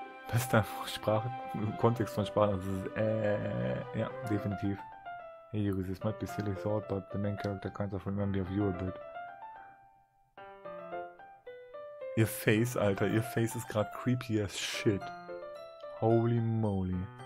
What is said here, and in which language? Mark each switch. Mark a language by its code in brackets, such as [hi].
[de] Das ist einfach Sprache, Kontext von Sprache, das ist ja, definitiv. [en] Hey Yuri, this might be silly thought, but the main character kind of remind me of you a bit. [de] Ihr Face, Alter, ihr Face ist gerade [en] creepy as shit. Holy moly.